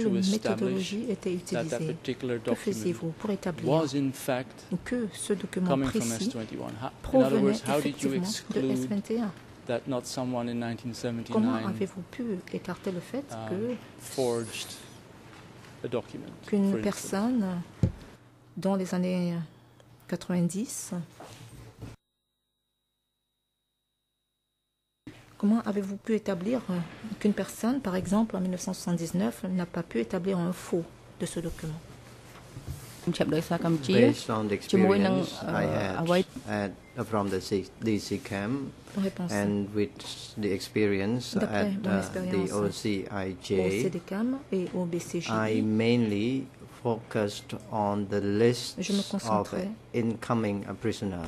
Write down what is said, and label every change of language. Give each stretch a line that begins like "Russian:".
English: to establish that that particular document was in fact coming from S21? In other words, how did you exclude that not someone in 1979 forged a document?
French: Qu'une personne dans les années 90, comment avez-vous pu établir qu'une personne, par exemple, en 1979, n'a pas pu établir un faux de ce document?
English: Based on the experience I had from the DC CAM and with the experience at the OCIJ, I mainly focused on the list of incoming prisoners.